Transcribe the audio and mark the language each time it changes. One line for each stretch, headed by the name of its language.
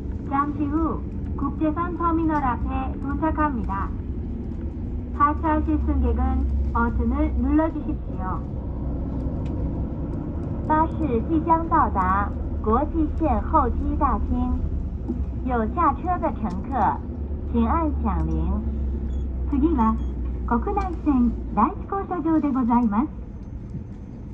Korean: 잠시 후 국제선 터미널 앞에 도착합니다. 하차하실 승객은 버튼을 눌러주십시오.
Chinese: 巴士即将到达。国际线候机大厅，有下车的乘客，请按响铃。
Japanese: 次は国内線第一降車場でございます。 ANA、SNA ソラシドエア、ピーチアビエーション、アイベックスエアラインズをご利用のお客様は、降車ボタンを押してお知らせください。